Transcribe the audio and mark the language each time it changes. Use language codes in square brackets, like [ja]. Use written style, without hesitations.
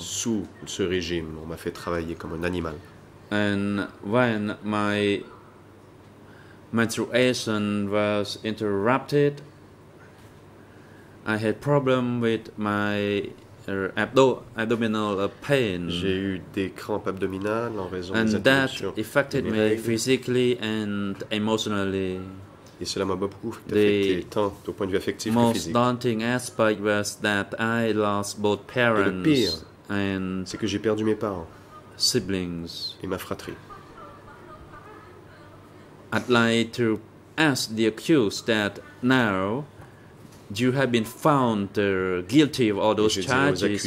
[fr] Sous ce régime, on m'a fait travailler comme un animal. [en] And when my menstruation was interrupted, I had problem with my abdominal pain. [fr] J'ai eu des crampes abdominales en raison [en] and [fr] des [en] that affected me physically and emotionally. [fr] Et cela m'a beaucoup affecté, tant au point de vue affectif que physique. [en] The most daunting aspect was that I lost both parents [fr] et le pire, [en] and [fr] c'est que j'ai perdu mes parents, [en] siblings, [fr] et ma fratrie. [en] I'd like to ask the accused that now. You have been found guilty of all those charges